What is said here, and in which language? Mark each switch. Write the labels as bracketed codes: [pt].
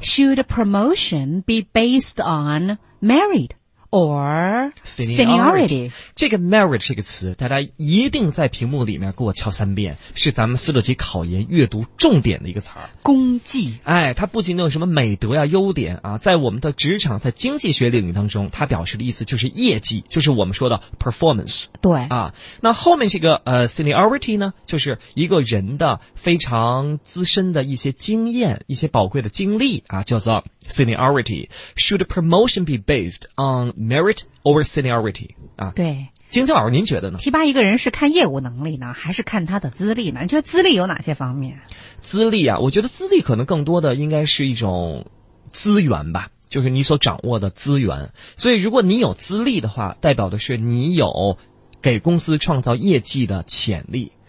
[en] Should promotion be based on merit? Or [zh] seniority， 这个 merit 这个词，大家一定在屏幕里面给我敲三遍，是咱们四六级考研阅读重点的一个词儿。功绩，哎，它不仅能有什么美德呀、优点啊，在我们的职场，在经济学领域当中，它表示的意思就是业绩，就是我们说的 performance。对啊，那后面这个seniority 呢，就是一个人的非常资深的一些经验、一些宝贵的经历啊，叫做。 [en] Seniority, should promotion be based on merit or seniority? 啊， [zh] 对，晶晶老师您觉得呢？提拔一个人是看业务能力呢，还是看他的资历呢？你觉得资历有哪些方面？资历啊，我觉得资历可能更多的应该是一种资源吧，就是你所掌握的资源。所以如果你有资历的话，代表的是你有给公司创造业绩的潜力。